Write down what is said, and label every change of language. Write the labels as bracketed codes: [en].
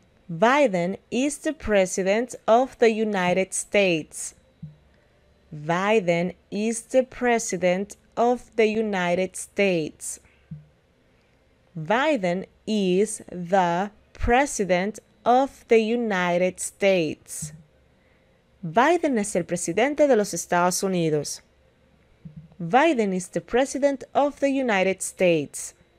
[en] Biden is the president of the United States. Biden is the president of the United States. Biden is the president of the United States. [es] Biden es el presidente de los Estados Unidos. [en] Biden is the president of the United States.